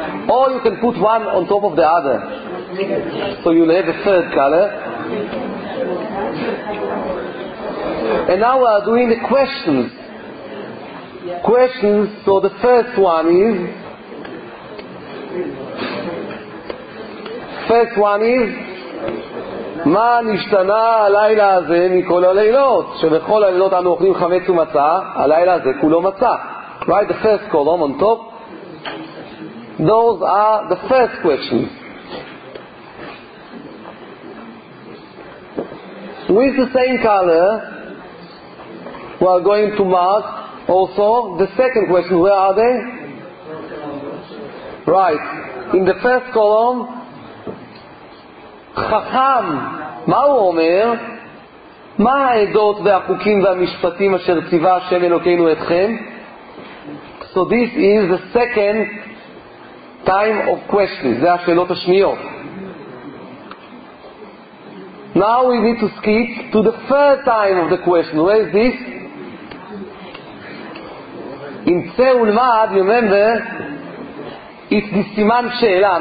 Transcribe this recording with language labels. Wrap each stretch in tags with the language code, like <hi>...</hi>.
<en>Or you can put one on top of the other. So you'll have a third color. And now we are doing the questions. Questions, so the first one is... First one is,</en> <he>מה נשתנה הלילה הזה מכל הלילות? שבכל הלילות אנו אוכלים חמץ ומצה, הלילה הזה כולו מצה.</he> <en>Write the first column on top. Those are the first questions. With the same color, we are going to mark also the second question. Where are they? Right. In the first column, חכם,</en> <he>מה הוא אומר? מה העדות והחוקים והמשפטים אשר ציווה השם אלוקינו אתכם?</he> <en>So this is the second time of questions. There are shelot hashmiyot. Now we need to skip to the third time of the question. Where is this? In Tzeul Mad, you remember, it's the Siman Sheela.</en>